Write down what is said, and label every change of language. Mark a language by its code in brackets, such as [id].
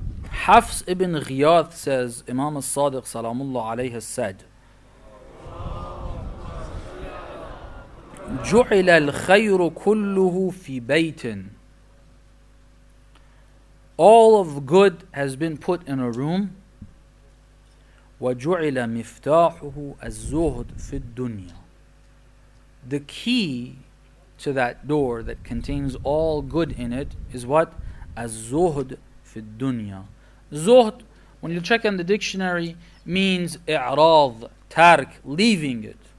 [en] Hafs ibn Ghiyath says, Imam al-Sadiq salamullah alayhi has said, [ar] جعل الخير كله في بيت. [en] All of good has been put in a room. [ar] وجعل مفتاحه الزهد في الدنيا. [en] The key to that door that contains all good in it is what? [ar] الزهد في الدنيا. [en] زهد, when you check in the dictionary, means إعراض, ترك, leaving it.